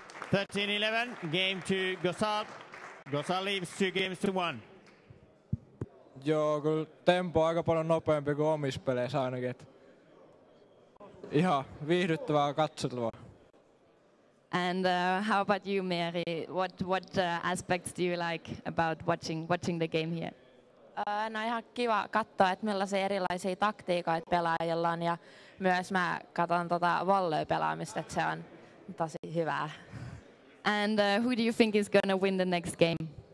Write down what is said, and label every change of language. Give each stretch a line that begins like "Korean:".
English: Thirteen 11, game to Ghosal. Ghosal leaves 2-1.
Finnish: Joo, kyllä tempo aika paljon nopeampi kuin omissa peleissä ainakin. Et ihan viihdyttävää katsottavaa.
English: And how about you, Mary? What aspects do you like about watching the game here?
Finnish: No ihan kiva katsoa, että millaisia erilaisia taktiikoita pelaajilla on. Ja myös mä katson tota volleyn pelaamista, että se on tosi hyvää.
English: And who do you think is going to win the next game?